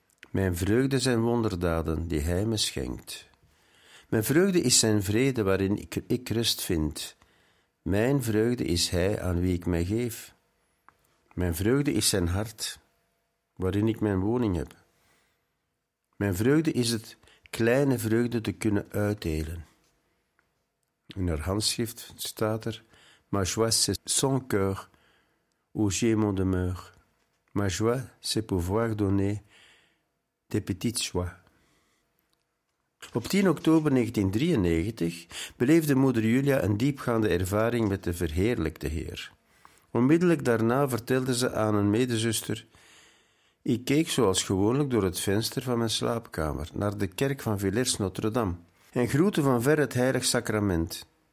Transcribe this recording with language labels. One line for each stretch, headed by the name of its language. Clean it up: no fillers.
Dutch: Mijn vreugde zijn wonderdaden die hij me schenkt. Mijn vreugde is zijn vrede waarin ik rust vind. Mijn vreugde is hij aan wie ik mij geef. Mijn vreugde is zijn hart, waarin ik mijn woning heb. Mijn vreugde is het kleine vreugde te kunnen uitdelen. In haar handschrift staat er:
French: ma joie c'est son cœur, où j'ai mon demeure. Ma joie c'est pouvoir donner des petites joies.
Dutch: Op 10 oktober 1993 beleefde moeder Julia een diepgaande ervaring met de verheerlijkte Heer. Onmiddellijk daarna vertelde ze aan een medezuster: ik keek zoals gewoonlijk door het venster van mijn slaapkamer naar de kerk van Villers Notre-Dame en groette van ver het heilig sacrament.